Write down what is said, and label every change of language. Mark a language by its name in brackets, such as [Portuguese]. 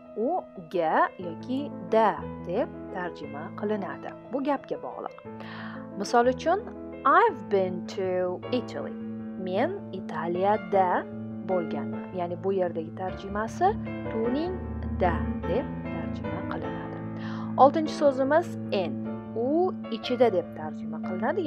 [Uzbek] U ga yoki da deb tarjima qilinadi. Bu gapga bog'liq. Misol uchun [English] I've been to Italy. [Uzbek] Men Italiyada bo'lganman. Ya'ni bu yerdagi tarjimasi to'ning da deb tarjima qilinadi. 6-chi so'zimiz in. U ichida deb tarjima qilinadi.